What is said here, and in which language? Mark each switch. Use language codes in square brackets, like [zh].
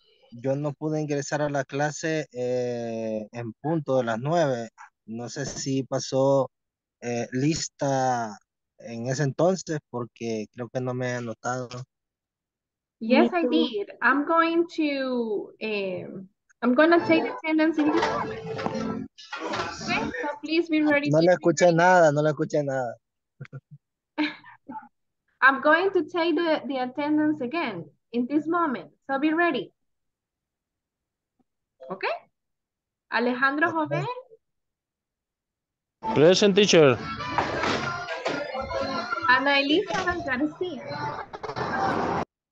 [es] Yo no pude ingresar a la clase en punto de las 9. No sé si pasó lista en ese entonces porque creo que no me he anotado. [en] Yes, I did. I'm going to take attendance in this moment. Okay, so please be ready. [es] No le escuché nada, no le escuché nada. [en] I'm going to take the attendance again in this moment. So be ready. Okay. Alejandro Jovel. Present, teacher. Ana Elizabeth Garcia.